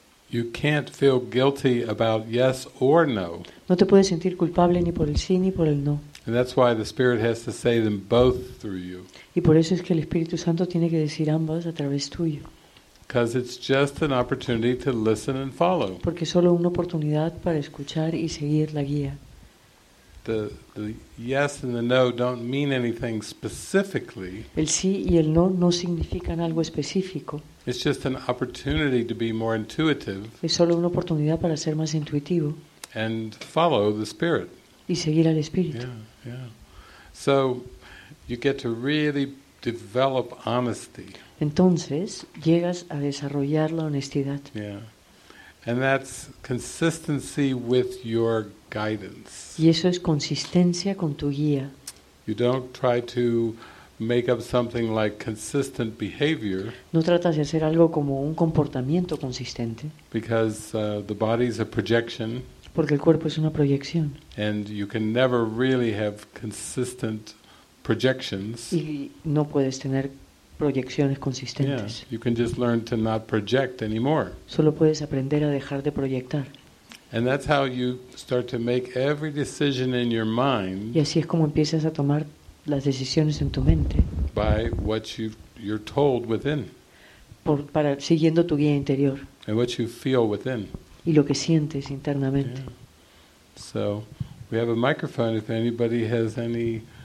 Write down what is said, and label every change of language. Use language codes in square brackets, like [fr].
[en] You can't feel guilty about yes or no. [es] No te puedes sentir culpable ni por el sí ni por el no. [en] And that's why the Spirit has to say them both through you. [es] Y por eso es que el Espíritu Santo tiene que decir ambas a través tuyo. [en] Because it's just an opportunity to listen and follow. [es] Porque solo una oportunidad para escuchar y seguir la guía. [en] The yes and the no don't mean anything specifically. [es] El sí y el no no significan algo específico. [en] It's just an opportunity to be more intuitive. [es] Es solo una oportunidad para ser más intuitivo. [en] And follow the Spirit. [es] Y seguir al Espíritu. [en] Yeah. So you get to really develop honesty. [es] Entonces, llegas a desarrollar la honestidad. [en] Yeah. And that's consistency with your guidance. [es] Y eso es consistencia con tu guía. [en] You don't try to make up something like consistent behavior. [es] No tratas de hacer algo como un comportamiento consistente. [en] Because the body is a projection. [es] Porque el cuerpo es una proyección. [en] And you can never really have consistent projections. [es] Y no puedes tener proyecciones consistentes. [en] Yeah, you can just learn to not project anymore. [es] Solo puedes aprender a dejar de proyectar. [en] And that's how you start to make every decision in your mind. [es] Y así es como empiezas a tomar las decisiones en tu mente. [en] By what you're told within. [es] Para siguiendo tu guía interior. [en] And what you feel within. [es] Y lo que sientes internamente. [en] Yeah. So, we have a microphone if anybody has any